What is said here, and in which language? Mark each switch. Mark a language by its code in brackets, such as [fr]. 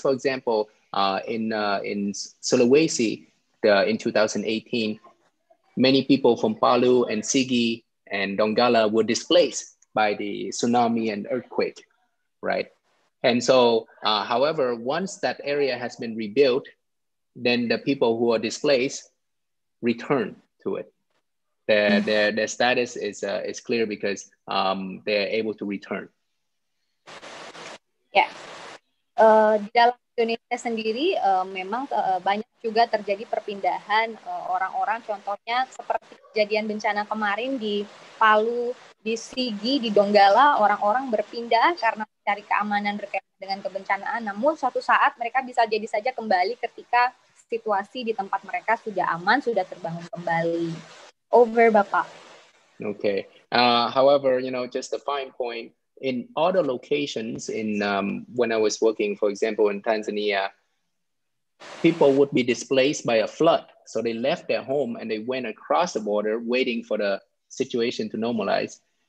[en] For example, in Sulawesi in 2018, many people from Palu and Sigi and Donggala were displaced by the tsunami and earthquake, right? And so, however, once that area has been rebuilt, then the people who are displaced return to it. Their status is clear because they're able to return. Yeah. [id] Di dalam Indonesia sendiri, memang banyak juga terjadi perpindahan orang-orang. Contohnya seperti kejadian bencana kemarin di Palu, di Sigi, di Donggala, orang-orang berpindah karena cari keamanan berkaitan dengan kebencanaan, namun suatu saat mereka bisa jadi saja kembali ketika situasi di tempat mereka sudah aman, sudah terbangun kembali. [en] Over, Bapak. Okay. However, you know, just a fine point, in other locations, in when I was working, for example, in Tanzania, people would be displaced by a flood, So they left their home and they went across the border waiting for the situation to normalize.